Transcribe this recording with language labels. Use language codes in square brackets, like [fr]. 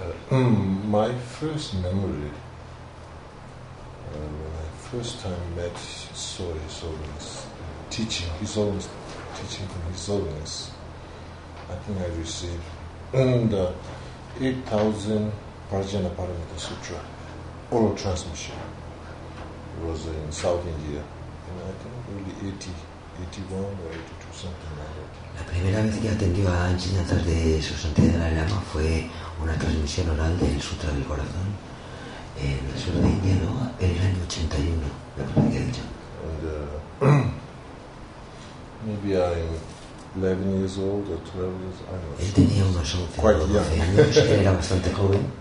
[en] My first memory, when I first time met Soe Solness, teaching, his holiness, teaching from his holiness, I think I received the 8,000 Prajna Paramita Sutra oral transmission. It was in South India, and I think early 81 or 82, something like that. [es] La primera vez que atendió a enseñanzas de Su Santidad Dalai Lama fue una transmisión oral del Sutra del Corazón en el sur de India, ¿no? En el año 81, la primera que ha dicho. [en] And, maybe I'm 11 years old or 12 years old, I don't know. [es] Él tenía unos 11 o 12 años, era bastante joven.